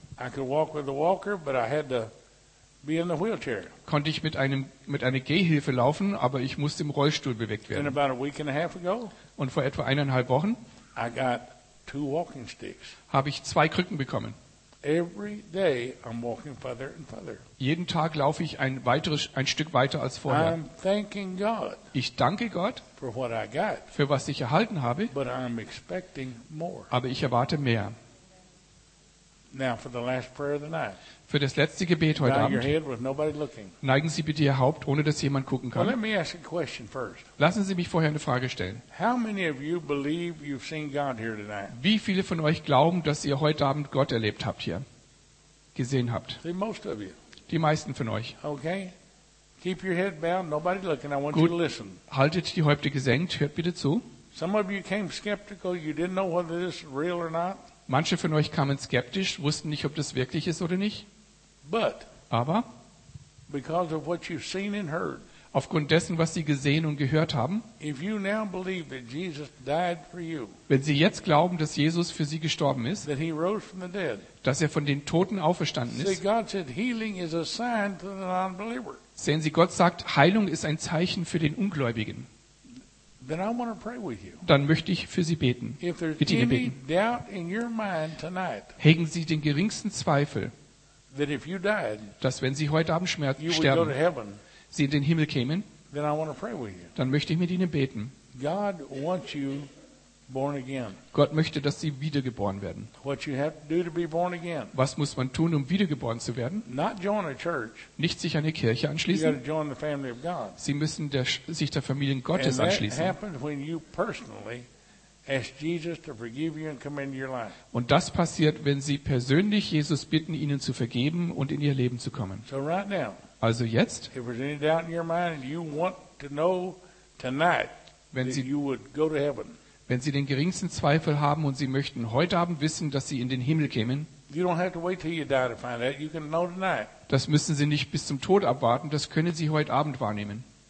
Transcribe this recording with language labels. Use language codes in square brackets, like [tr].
[en] I could walk with a walker, but I had to be in the wheelchair. [de] Konnte ich mit einer Gehhilfe laufen, aber ich musste im Rollstuhl bewegt werden. [en] About a week and a half ago, [de] und vor etwa 1,5 Wochen [en] I got 2 walking sticks. [de] Habe ich 2 Krücken bekommen. [en] Every day I'm walking further and further. [de] Jeden Tag laufe ich ein Stück weiter als vorher. [en] I'm thanking God. [de] Ich danke Gott [en] for what I got. [de] Für was ich erhalten habe. [en] But I'm expecting more. [de] Aber ich erwarte mehr. [en] Now for the last prayer of the night. [de] Für das letzte Gebet heute Abend. [en] Bow your head with nobody looking. [de] Neigen Sie bitte Ihr Haupt, ohne dass jemand gucken kann. [en] Well, let me ask a question first. [de] Lassen Sie mich vorher eine Frage stellen. [en] How many of you believe you've seen God here tonight? [de] Wie viele von euch glauben, dass ihr heute Abend Gott erlebt habt hier? Gesehen habt? [en] See, most of you. [de] Die meisten von euch. [en] Okay. Keep your head bowed, nobody looking. I want you to listen. [de] Haltet die Häupte gesenkt, hört bitte zu. [en] Some of you came skeptical, you didn't know whether this is real or not. [de] Manche von euch kamen skeptisch, wussten nicht, ob das wirklich ist oder nicht. [en] But, [de] aber [en] because of what you've seen and heard, [de] aufgrund dessen, was Sie gesehen und gehört haben, [en] if you now believe that Jesus died for you, [de] wenn Sie jetzt glauben, dass Jesus für Sie gestorben ist, [en] that he rose from the dead, [de] dass er von den Toten auferstanden ist, [en] God said, healing is a sign to the non-believer. [de] Sehen Sie, Gott sagt, Heilung ist ein Zeichen für den Ungläubigen. [en] Then I want to pray with you. [de] Dann möchte ich für Sie beten. [en] If there's bitte any beten. Doubt in your mind tonight, [de] hegen Sie den geringsten Zweifel, [en] that if you died, [de] dass wenn Sie heute Abend sterben, [en] you go to heaven, [de] Sie in den Himmel kämen, [en] then I want to pray with you. [de] Dann möchte ich mit Ihnen beten. [en] God wants you born again. [de] Gott möchte, dass Sie wiedergeboren werden. [en] What you have to do to be born again. [de] Was muss man tun, um wiedergeboren zu werden? [en] Not join a church. [de] Nicht sich einer Kirche anschließen. [en] You got to join the family of God. [de] Sie müssen sich der Familie Gottes anschließen. [en] And that happens when you personally ask Jesus to forgive you and come into your life. [de] Und das passiert, wenn Sie persönlich Jesus bitten, Ihnen zu vergeben und in Ihr Leben zu kommen. [en] So right now, [de] also jetzt, [en] if there's any doubt in your mind and you want to know tonight, [de] wenn Sie, [en] that you would go to heaven, [de] wenn Sie den geringsten Zweifel haben und Sie möchten heute Abend wissen, dass Sie in den Himmel kämen, [en] you don't have to wait till you die to find that. You can know tonight. [de] Das müssen Sie nicht bis zum Tod abwarten, das können Sie heute Abend wahrnehmen.